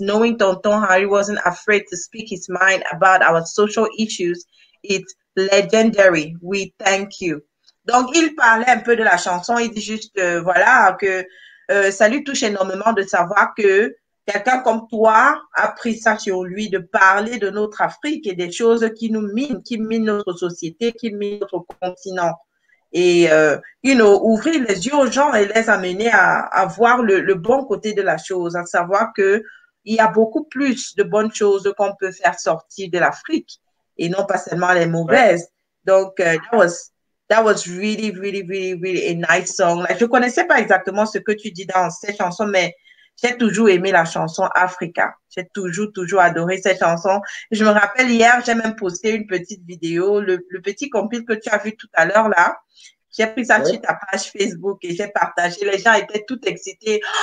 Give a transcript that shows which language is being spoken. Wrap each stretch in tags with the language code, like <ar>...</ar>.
<en>Knowing Tonton Harry wasn't afraid to speak his mind about our social issues, it's legendary. We thank you.</en> <fr>Donc il parlait un peu de la chanson. Il dit juste ça lui touche énormément de savoir que quelqu'un comme toi a pris ça sur lui de parler de notre Afrique et des choses qui nous minent, qui minent notre société, qui minent notre continent. Et, ouvrir les yeux aux gens et les amener à voir le bon côté de la chose, à savoir qu'il y a beaucoup plus de bonnes choses qu'on peut faire sortir de l'Afrique et non pas seulement les mauvaises. Ouais.</fr> <en>Donc, that was really, really, really, really a nice song.</en> <fr>Like, je connaissais pas exactement ce que tu dis dans cette chanson, mais j'ai toujours aimé la chanson Africa. J'ai toujours, toujours adoré cette chanson. Je me rappelle hier, j'ai même posté une petite vidéo, le petit compil que tu as vu tout à l'heure là, J'ai pris ça sur ta page Facebook et j'ai partagé. Les gens étaient tout excités.</fr>